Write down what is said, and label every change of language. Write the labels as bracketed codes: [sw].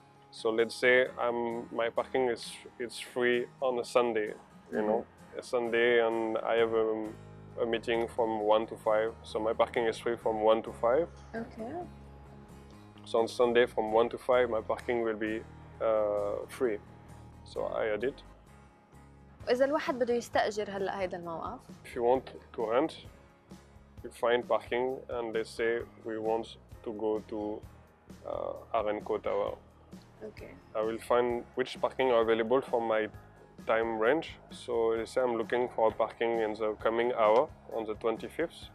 [en] So let's say my parking is free on a Sunday, you know, a Sunday, and I have a meeting from 1 to 5. So my parking is free from 1 to 5. Okay. So on Sunday from 1 to 5, my parking will be free. So I add it. [ar] إذا الواحد بده يستأجر هلا هيدا الموقف. [en] If you want to rent, you find parking and they say we want to go to Aranco Tower. Okay. I will find which parking are available for my time range. So they say I'm looking for a parking in the coming hour on the 25th.